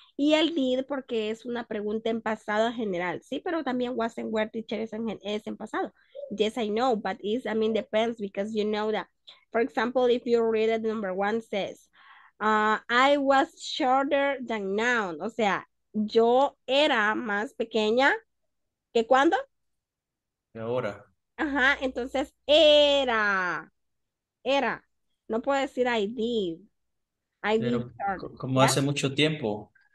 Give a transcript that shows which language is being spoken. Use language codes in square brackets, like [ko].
[es] Y el did, porque es una pregunta en pasado general. Sí, pero también was and where, teacher, es en pasado. [en] Yes, I know, but it's, I mean, depends, because you know that. For example, if you read it, number one says, I was shorter than now. [es] O sea, yo era más pequeña que cuando. Ahora. Ajá, entonces era. Era, no puedo decir I did. Como ¿ya? Hace mucho tiempo.